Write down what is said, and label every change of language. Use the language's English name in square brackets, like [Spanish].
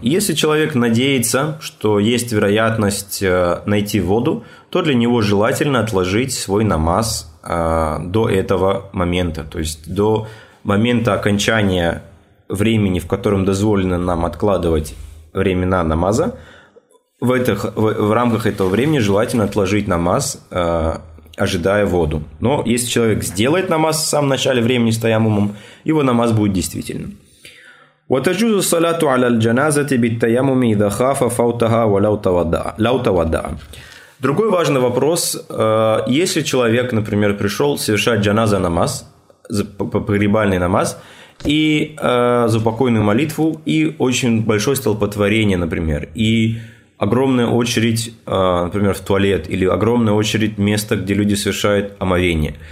[Russian] Если человек надеется, что есть вероятность найти воду, то для него желательно отложить свой намаз до этого момента, то есть до момента окончания времени, в котором дозволено нам откладывать времена намаза. В рамках этого времени желательно отложить намаз, ожидая воду. Но если человек сделает намаз в самом начале времени с таямумом, его намаз будет действительным. [Arabic] وتجوز الصلاة على الجنازة بالتيمم إذا خاف فوتها ولو توضع. [Russian] Другой важный вопрос. Если человек, например, пришел совершать джаназа намаз, погребальный намаз, и за покойную молитву, и очень большое столпотворение, например, и огромная очередь, например, в туалет, или огромная очередь места, где люди совершают омовение.